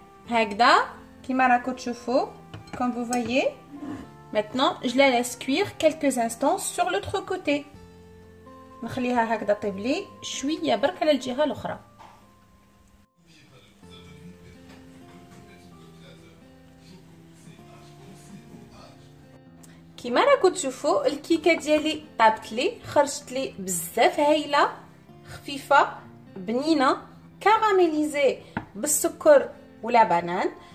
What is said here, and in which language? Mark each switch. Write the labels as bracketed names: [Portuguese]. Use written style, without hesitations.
[Arabic] هكذا كيما راكو تشوفوا كوم فو فايي. [French] Maintenant, je la laisse cuire quelques instants sur l'autre côté. [Arabic] نخليها هكذا طيب لي شويه برك على الجهه الاخرى. كيما راكو تشوفوا الكيكه ديالي طابت لي خرجت لي بزاف هايله خفيفه بنينه كاراميليزي بالسكر ولا بنان.